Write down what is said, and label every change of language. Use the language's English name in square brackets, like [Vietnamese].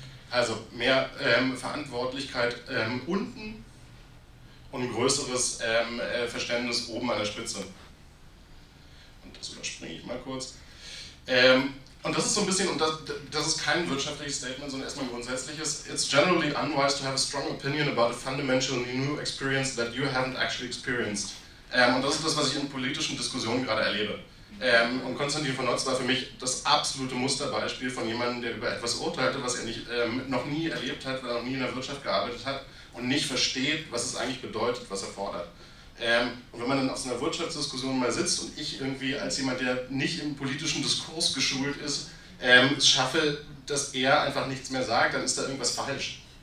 [German] Also mehr Verantwortlichkeit unten und ein größeres Verständnis oben an der Spitze. Und das überspringe ich mal kurz. Und das ist so ein bisschen, und das ist kein wirtschaftliches Statement, sondern erstmal ein grundsätzliches. [English] It's generally unwise to have a strong opinion about a fundamentally new experience that you haven't actually experienced. [German] Und das ist das, was ich in politischen Diskussionen gerade erlebe. Und Konstantin von Notz war für mich das absolute Musterbeispiel von jemandem, der über etwas urteilte, was er nicht, noch nie erlebt hat, weil er noch nie in der Wirtschaft gearbeitet hat und nicht versteht, was es eigentlich bedeutet, was er fordert. Und wenn man dann auf so einer Wirtschaftsdiskussion mal sitzt und ich irgendwie als jemand, der nicht im politischen Diskurs geschult ist, es schaffe, dass er einfach nichts mehr sagt, dann ist da irgendwas falsch.